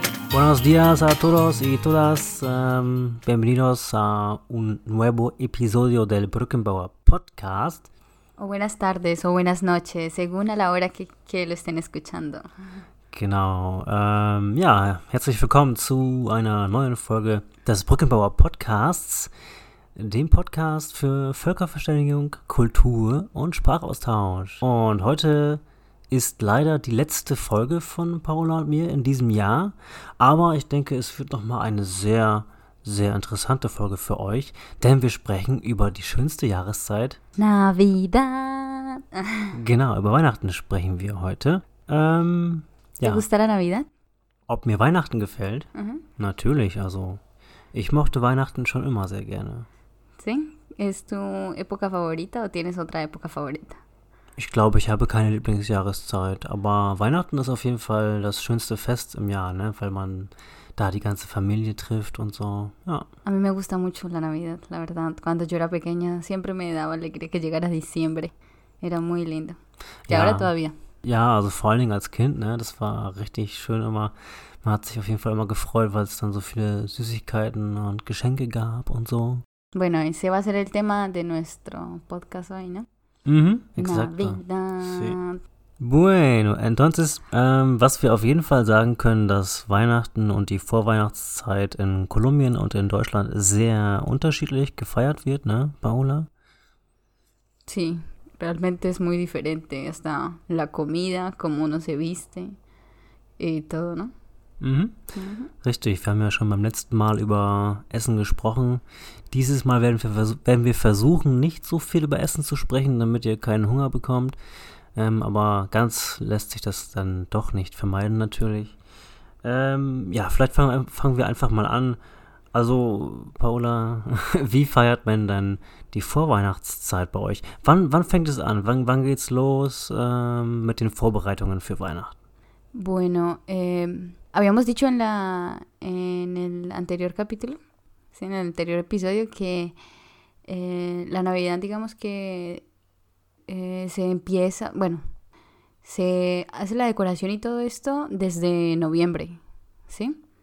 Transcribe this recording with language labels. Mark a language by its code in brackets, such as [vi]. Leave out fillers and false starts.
[es] Buenos días a todos y todas. Bienvenidos a un nuevo episodio del Brückenbauer Podcast. O buenas tardes o buenas noches, según a la hora que lo estén escuchando. [de] Genau. Ja, herzlich willkommen zu einer neuen Folge des Brückenbauer Podcasts, dem Podcast für Völkerverständigung, Kultur und Sprachaustausch. Und heute ist leider die letzte Folge von Paola und mir in diesem Jahr. Aber ich denke, es wird nochmal eine sehr, sehr interessante Folge für euch, denn wir sprechen über die schönste Jahreszeit. [es] Navidad! [de] Genau, über Weihnachten sprechen wir heute. [es] Ja. ¿Te gusta la Navidad? [de] Ob mir Weihnachten gefällt? Mhm. Natürlich, also ich mochte Weihnachten schon immer sehr gerne. [es] ¿Sí? ¿Es tu época favorita o tienes otra época favorita? [de] Ich glaube, ich habe keine Lieblingsjahreszeit, aber Weihnachten ist auf jeden Fall das schönste Fest im Jahr, ne? Weil man da die ganze Familie trifft und so, ja. [es] A mí me gusta mucho la Navidad, la verdad. Cuando yo era pequeña, siempre me daba alegría que llegara diciembre. Era muy lindo. Y ahora todavía. [de] Ja, also vor allen Dingen als Kind, ne? Das war richtig schön immer. Man hat sich auf jeden Fall immer gefreut, weil es dann so viele Süßigkeiten und Geschenke gab und so. [es] Bueno, ese va a ser el tema de nuestro podcast hoy, ¿no? [de] Mhm, exakt. [es] Sí. Bueno, entonces, [de] was wir auf jeden Fall sagen können, dass Weihnachten und die Vorweihnachtszeit in Kolumbien und in Deutschland sehr unterschiedlich gefeiert wird, ne, Paola? [es] Sí, realmente es muy diferente. Hasta la comida, como uno se viste y todo, ¿no? Mhm. [de] Richtig, wir haben ja schon beim letzten Mal über Essen gesprochen. Dieses Mal werden wir versuchen, nicht so viel über Essen zu sprechen, damit ihr keinen Hunger bekommt. Aber ganz lässt sich das dann doch nicht vermeiden, natürlich. Ja, vielleicht fangen wir einfach mal an. Also, Paola, wie feiert man denn die Vorweihnachtszeit bei euch? Wann fängt es an? Wann geht's los mit den Vorbereitungen für Weihnachten? [es] Bueno, habíamos dicho en el anterior capítulo, ¿sí? En el anterior episodio, que la Navidad, digamos que se empieza, bueno, se hace la decoración y todo esto desde noviembre, ¿sí?